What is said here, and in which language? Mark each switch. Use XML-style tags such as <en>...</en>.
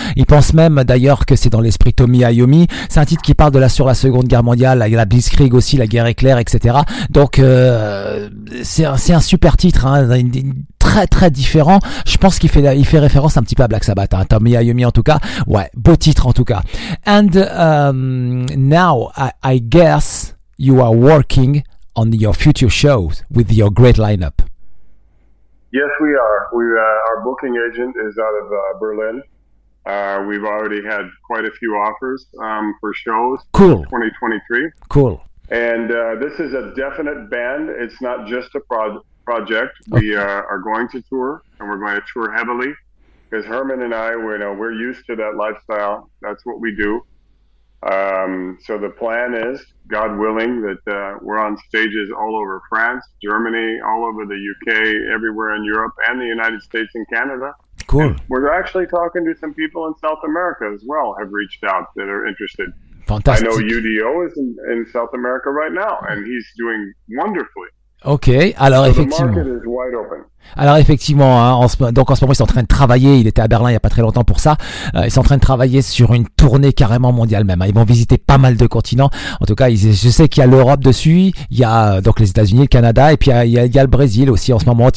<fr>Il pense même d'ailleurs que c'est dans l'esprit Tommy Iommi. C'est un titre qui parle de la Seconde Guerre mondiale, la Blitzkrieg aussi, la guerre éclair, etc. Donc c'est un super titre, hein, très différent. Je pense qu'il fait référence un petit peu à Black Sabbath, hein, Tommy Iommi en tout cas. Ouais, beau titre en tout cas.</fr> <en>And now I guess you are working on your future shows with your great lineup. Yes, we are. Our booking agent is out of Berlin. We've already had quite a few offers for shows. Cool. For 2023. Cool. And this is a definite band. It's not just a project. We are going to tour, and we're going to tour heavily because Herman and I, we're used to that lifestyle. That's what we do. So the plan is, God willing, that we're on stages all over France, Germany, all over the UK, everywhere in Europe, and the United States and Canada. Cool. And we're actually talking to some people in South America as well, have reached out that are interested. Fantastic. I know UDO is in South America right now, and he's doing wonderfully.</en> <fr>Ok, alors effectivement. Alors effectivement, hein, en ce moment, ils sont en train de travailler. Il était à Berlin il y a pas très longtemps pour ça. Ils sont en train de travailler sur une tournée carrément mondiale même. Hein. Ils vont visiter pas mal de continents. En tout cas, je sais qu'il y a l'Europe dessus. Il y a donc les États-Unis, le Canada, et puis il y a le Brésil aussi en ce moment.</fr>